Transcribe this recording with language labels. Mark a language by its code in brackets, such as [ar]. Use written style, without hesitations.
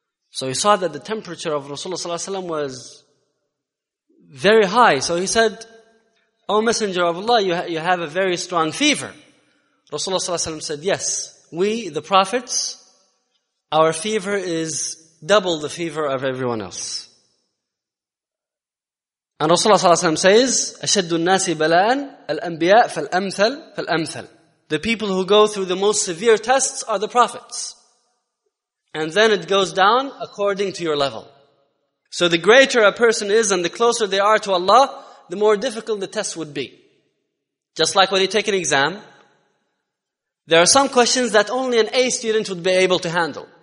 [en] So he saw that the temperature of Rasulullah sallallahu alaihi wasallam was very high. So he said, "O Messenger of Allah, you have a very strong fever." Rasulullah sallallahu alaihi wasallam said, "Yes, we, the prophets, our fever is double the fever of everyone else. [ar] أن رسول الله صلى الله عليه وسلم [en] says [ar] أشد الناس بلاء الأنبياء فالأمثل فالأمثل. [en] The people who go through the most severe tests are the prophets. And then it goes down according to your level. So the greater a person is and the closer they are to Allah, the more difficult the test would be. Just like when you take an exam, there are some questions that only an A student would be able to handle.